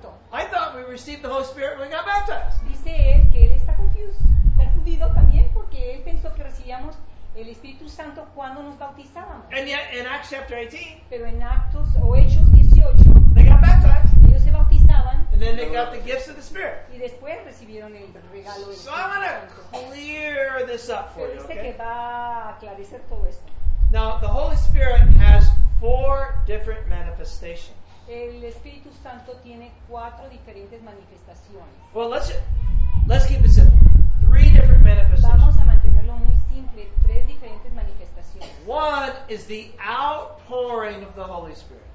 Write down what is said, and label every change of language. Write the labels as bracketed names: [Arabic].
[English] I thought we received the Holy Spirit when we got baptized. [Spanish] Dice él que él está confundido también porque él pensó que recibíamos el Espíritu Santo cuando nos bautizábamos. [English] And yet in Acts chapter 18, [Spanish] pero en Actos o Hechos 18, [English] they got baptized. [Spanish] Ellos se bautizaban. [English] And then they got the gifts of the Spirit. [Spanish] Y después recibieron el regalo del [English] Espíritu Santo. So I'm going to clear this up for [Spanish] pero [English] you. [Spanish] Dice [English] okay? [Spanish] Que va a aclarar todo esto. [English] Now the Holy Spirit has four different manifestations. [Spanish] El Espíritu Santo tiene cuatro diferentes manifestaciones. [English] Well, let's keep it simple. Three different manifestations. [Spanish] Vamos a mantenerlo muy simple, tres diferentes manifestaciones. [English] One is the outpouring of the Holy Spirit.